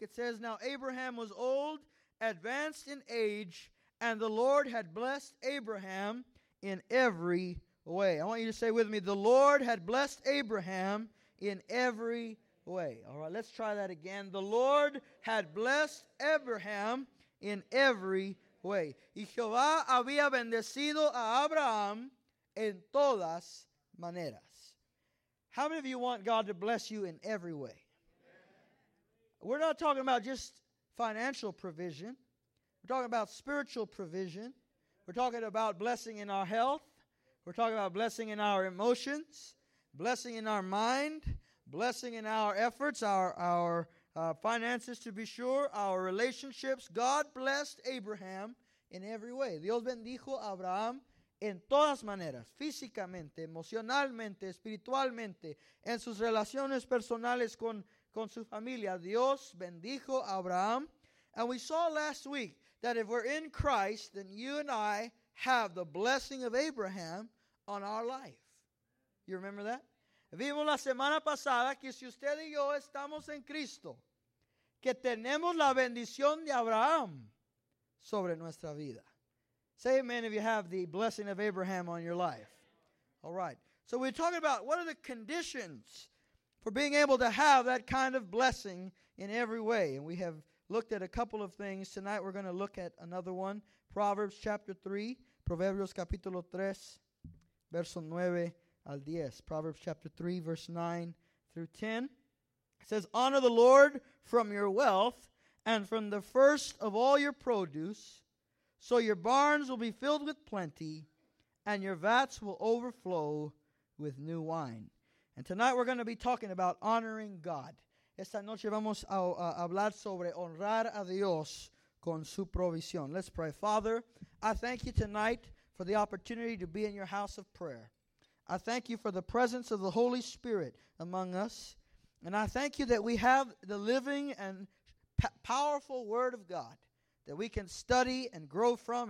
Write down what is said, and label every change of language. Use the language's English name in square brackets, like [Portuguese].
[English] It says, "Now Abraham was old, advanced in age, and the Lord had blessed Abraham in every way." I want you to say with me, "The Lord had blessed Abraham in every way." All right, let's try that again. "The Lord had blessed Abraham in every way." [Spanish] Y Jehová había bendecido a Abraham en todas maneras. [English] How many of you want God to bless you in every way? Amen. We're not talking about just financial provision. We're talking about spiritual provision. We're talking about blessing in our health. We're talking about blessing in our emotions, blessing in our mind, blessing in our efforts, our finances to be sure, our relationships. God blessed Abraham in every way. [Spanish] Dios bendijo a Abraham en todas maneras, físicamente, emocionalmente, espiritualmente, en sus relaciones personales con su familia. Dios bendijo a Abraham. [English] And we saw last week that if we're in Christ, then you and I have the blessing of Abraham on our life. You remember that? [Spanish] Vimos la semana pasada que si usted y yo estamos en Cristo, que tenemos la bendición de Abraham sobre nuestra vida. [English] Say amen if you have the blessing of Abraham on your life. All right. So we're talking about what are the conditions for being able to have that kind of blessing in every way. And we have looked at a couple of things. Tonight we're going to look at another one. Proverbs chapter 3. [Spanish] Proverbios capítulo 3, verso 9 al 10. [English] Proverbs chapter 3, verse 9 through 10. It says, "Honor the Lord from your wealth and from the first of all your produce, so your barns will be filled with plenty, and your vats will overflow with new wine." And tonight we're going to be talking about honoring God. [Spanish] Esta noche vamos a hablar sobre honrar a Dios con su provisión. [English] Let's pray. Father, I thank you tonight for the opportunity to be in your house of prayer. I thank you for the presence of the Holy Spirit among us. And I thank you that we have the living and powerful Word of God that we can study and grow from.